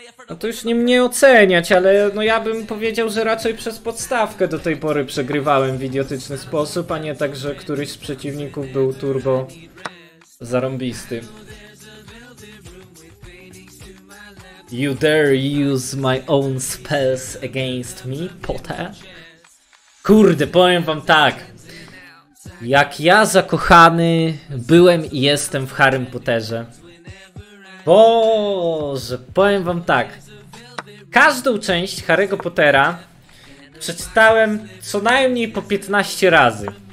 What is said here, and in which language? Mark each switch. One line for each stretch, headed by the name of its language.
Polish: No to już nie mnie oceniać, ale no ja bym powiedział, że raczej przez podstawkę do tej pory przegrywałem w idiotyczny sposób, a nie tak, że któryś z przeciwników był turbo zarąbisty.
English: You dare use my own spells against me, Potter?
Polish: Kurde, powiem wam tak. Jak ja zakochany byłem i jestem w Harrym Potterze. Boże, powiem wam tak. Każdą część Harry'ego Pottera przeczytałem co najmniej po 15 razy.